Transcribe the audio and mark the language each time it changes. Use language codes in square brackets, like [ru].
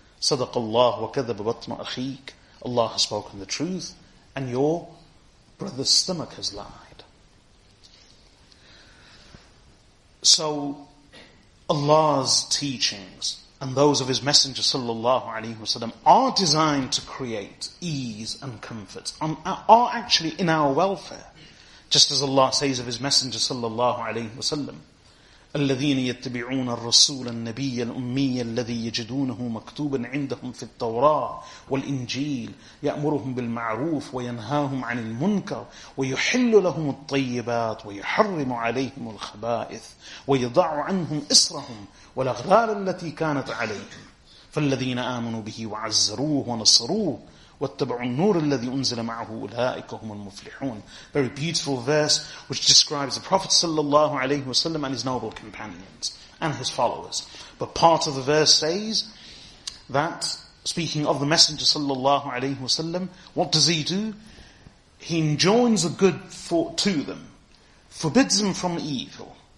[ar] Sadaqallahu wa kadhaba batna akhik. [en] Allah has spoken the truth and your brother's stomach has lied. So Allah's teachings and those of His Messenger sallallahu alayhi wa sallam are designed to create ease and comfort, are actually in our welfare. Just as Allah says of His Messenger sallallahu alayhi wa sallam, [ar] الَّذِينَ يَتَّبِعُونَ الرَّسُولَ النَّبِيَّ الْأُمِّيَّ الَّذِي يَجِدُونَهُ مَكْتُوبًا عِنْدَهُمْ فِي التَّوْرَاةِ وَالْإِنْجِيلِ يَأْمُرُهُمْ بِالْمَعْرُوفِ وَيَنْهَاهُمْ عَنِ الْمُنْكَرِ وَيُحِلُّ لَهُمُ الطَّيِّبَاتِ وَيُحَرِّمُ عَلَيْهِمُ الْخَبَائِثَ وَيَضَعُ عَنْهُمْ إِصْرَهُمْ وَالْأَغْلَالَ الَّتِي كَانَتْ عَلَيْهِمْ فَالَّذِينَ آمَنُوا بِهِ وَعَزَّرُوهُ وَنَصَرُوهُ وَاتَّبَعُوا النُّورَ الَّذِي أُنزِلَ مَعَهُ أُولَٰئِكَ هُمُ الْمُفْلِحُونَ. [en] Very beautiful verse which describes the Prophet sallallahu alayhi wa sallam and his noble companions and his followers. But part of the verse says that, speaking of the Messenger sallallahu alayhi wa sallam, what does he do? He enjoins a good to them, forbids them from evil.